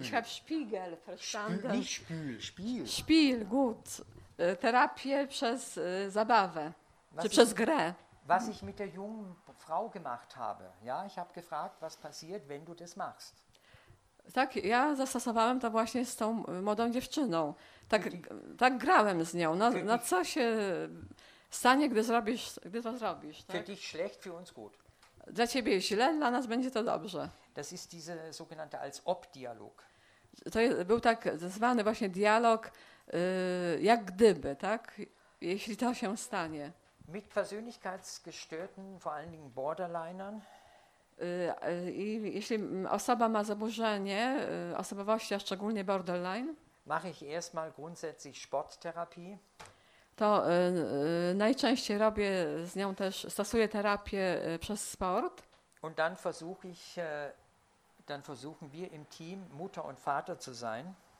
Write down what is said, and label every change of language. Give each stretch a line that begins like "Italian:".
German: Ich habe Spiegel verstanden. Nicht Spiel, Spiel. Spiel, gut.
Polish: Terapię przez zabawę. Was czy przez grę.
German: Was ich mit der jungen Frau gemacht habe. Ja, ich habe gefragt, was passiert, wenn du das machst.
Polish: Tak, ja zastosowałem to właśnie z tą młodą dziewczyną. Tak, tak grałem z nią. Na no, no co się stanie, gdy to zrobisz? Tak?
German: Für dich schlecht, für uns gut.
Polish: Dla ciebie źle, dla nas będzie to dobrze.
German: Das ist diese sogenannte als-ob-Dialog.
Polish: To był tak zwany właśnie dialog, jak gdyby, tak? Jeśli to się stanie.
German: Mit persönlichkeitsgestörten, vor allen Dingen Borderlinern.
Polish: I jeśli osoba ma zaburzenie osobowości, a szczególnie borderline,
German: mache ich erstmal grundsätzlich Sporttherapie.
Polish: To najczęściej robię z nią też, stosuję terapię przez sport.
German: Und dann versuche ich, dann versuchen wir im Team Mutter und Vater zu sein.